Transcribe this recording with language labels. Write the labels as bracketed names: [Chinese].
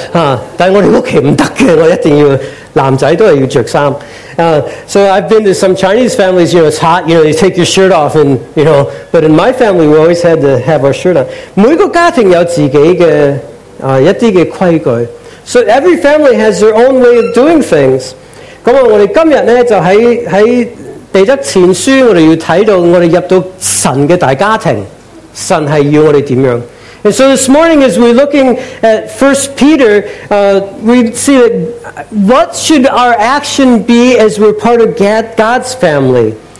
[Cantonese] 啊，但係我哋屋企唔得嘅，我一定要男仔都係要著衫。 [English] So I've been to some Chinese families, you know, it's hot, you know, you take your shirt off, and you know. But in my family, we always had to have our shirt on. [Cantonese] 每個家庭有自己嘅一啲嘅規矩。 [English] So every family has their own way of doing things. [Cantonese] 咁我哋今日咧就喺彼得前书，我哋要睇到我哋入到神嘅大家庭，神系要我哋点样。 [English] And so this morning, as we're looking at 1 Peter, we see that what should our action be as we're part of God's family?